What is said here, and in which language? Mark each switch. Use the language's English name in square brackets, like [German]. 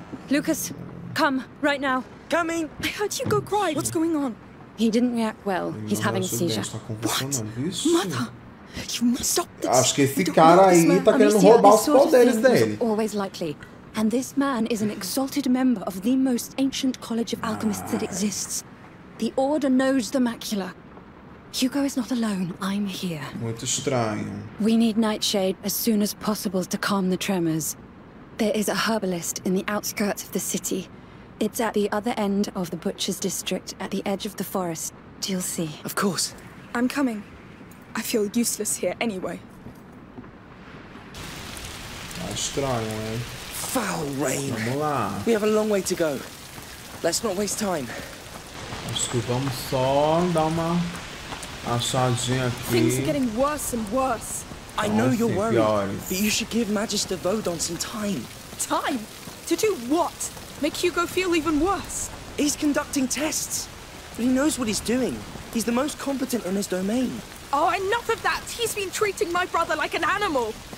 [English] Lucas, come right now. Coming. I heard you go cry. What's going on? He didn't react well. He's having a seizure. What? Mother, you must stop this. [Portuguese] Acho que esse cara aí tá querendo roubar os poderes dele. [English] Always likely. And this man is an exalted member of the most ancient college of alchemists that exists. The order knows the macula. Hugo is not alone. I'm here. [Portuguese] Muito estranho. [English] We need nightshade as soon as possible to calm the tremors. There is a herbalist in the outskirts of the city. It's at the other end of the butcher's district, at the edge of the forest. You'll see. Of course. I'm coming. I feel useless here anyway. [Portuguese] Estranho, hein? [English] Foul rain. [Portuguese] Vamos lá. [English] We have a long way to go. Let's not waste time. [Portuguese] Acho que vamos só dar uma achadinha aqui. [English] Things are getting worse and worse. I know you're worried, but you should give Magister Vodon some time. Time? To do what? Make Hugo feel even worse. He's conducting tests, but he knows what he's doing. He's the most competent in his domain. Oh, enough of that! He's been treating my brother like an animal.